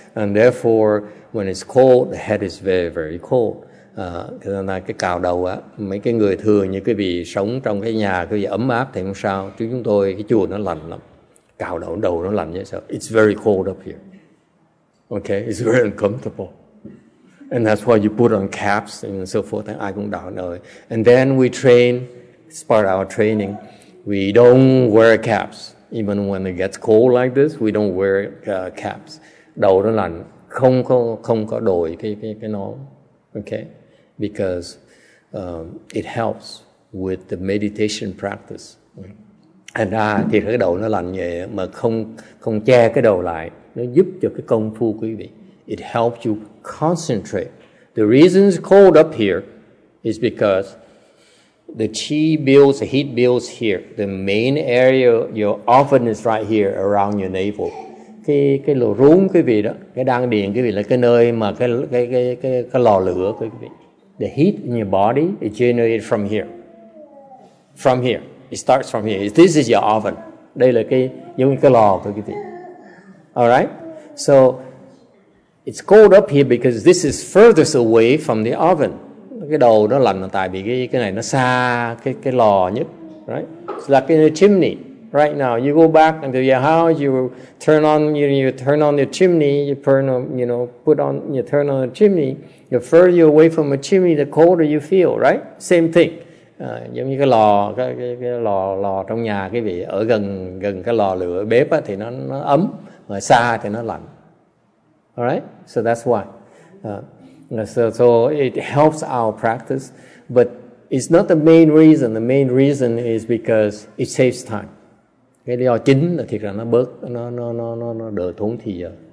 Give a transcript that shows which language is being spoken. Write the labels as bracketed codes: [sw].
[en] And therefore, when it's cold, the head is very, very cold. [vi] Cái cào đầu á, mấy cái người thường như cái vị sống trong cái nhà cái vị ấm áp thì không sao. Chứ chúng tôi cái chùa nó lạnh lắm, cào đầu nó lạnh như sao. [en] It's very cold up here. Okay, it's very uncomfortable. And that's why you put on caps and so forth. And [vi] ai cũng đau nơi. [en] And then we train. It's part of our training. We don't wear caps. Even when it gets cold like this, we don't wear caps. [vi] Đầu nó lạnh, không có đổi cái nó. Okay? [en] Because it helps with the meditation practice. [vi] And thì cái đầu nó lạnh vậy mà không che cái đầu lại, nó giúp cho cái công phu quý vị. [en] It helps you concentrate. The reason it's cold up here is because the qi builds, the heat builds here. The main area, your oven is right here around your navel. [vi] Cái lò rúng quý vị đó, cái đan điền quý vị là cái nơi mà cái lò lửa quý vị. [en] The heat in your body is generated from here. From here. It starts from here. This is your oven. [vi] Đây là cái giống như cái lò quý vị. [en] All right? So it's cold up here because this is furthest away from the oven. [vi] Cái đầu nó lạnh là tại vì cái này nó xa cái lò nhất, [en] right? It's like in a chimney. Right now, you go back into your house, you turn on the chimney. The further you're away from a chimney, the colder you feel, right? Same thing. [vi] Giống như cái lò trong nhà quý vị, ở gần cái lò lửa bếp á, thì nó ấm, mà xa thì nó lạnh. [en] All right? So that's why. So it helps our practice, but it's not the main reason. The main reason is because it saves time. [vi] Cái lý do chính là thiệt là nó bớt, nó đỡ tốn thì giờ.